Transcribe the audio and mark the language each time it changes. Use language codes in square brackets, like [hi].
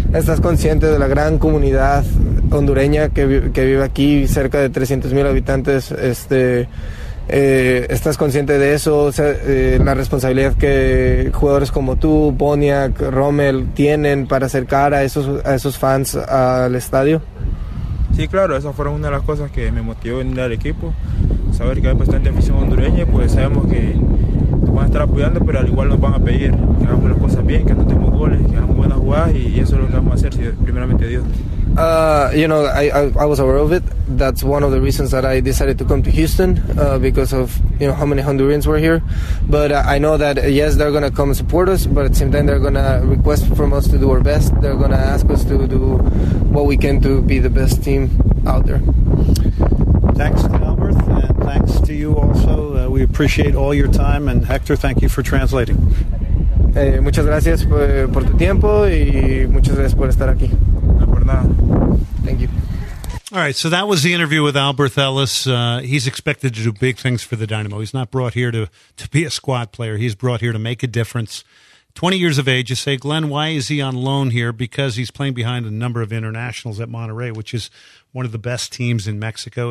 [es] ¿Estás consciente de la gran comunidad hondureña que vive aquí, cerca de 300,000 habitantes? ¿Estás consciente de eso, la responsabilidad que jugadores como tú, Boniac, Rommel tienen para acercar a esos fans al estadio? Sí, claro, esas fueron una de las cosas que me motivó venir al equipo, saber que hay bastante afición hondureña, pues sabemos que van a estar apoyando, pero al igual nos van a pedir que hagamos las cosas bien, que anotemos goles, que hagamos buenas jugadas, y eso es lo que vamos a hacer, si primeramente Dios. [en] You know, I was aware of it. That's one of the reasons that I decided to come to Houston, because of, you know, how many Hondurans were here. But I know that, yes, they're going to come and support us, but at the same time, they're going to request from us to do our best. They're going to ask us to do what we can to be the best team out there. Thanks, Albert, and thanks to you also. We appreciate all your time, and Hector, thank you for translating. [es] Muchas gracias por tu tiempo, y muchas gracias por estar aquí. [en] Thank you. All right, so that was the interview with Albert Ellis. He's expected to do big things for the Dynamo. He's not brought here to be a squad player. He's brought here to make a difference. 20 years of age, you say, Glenn, why is he on loan here? Because he's playing behind a number of internationals at Monterrey, which is one of the best teams in Mexico.